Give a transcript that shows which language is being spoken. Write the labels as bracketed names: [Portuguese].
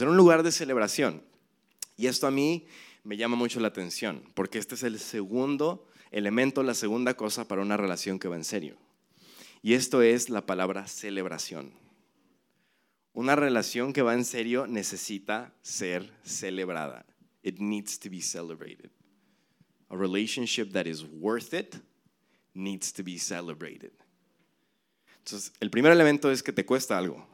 [Spanish] Era un lugar de celebración. Y esto a mí me llama mucho la atención porque este es el segundo elemento, la segunda cosa para una relación que va en serio. Y esto es la palabra celebración. Una relación que va en serio necesita ser celebrada. [English] It needs to be celebrated. A relationship that is worth it needs to be celebrated. [Spanish] Entonces, el primer elemento es que te cuesta algo.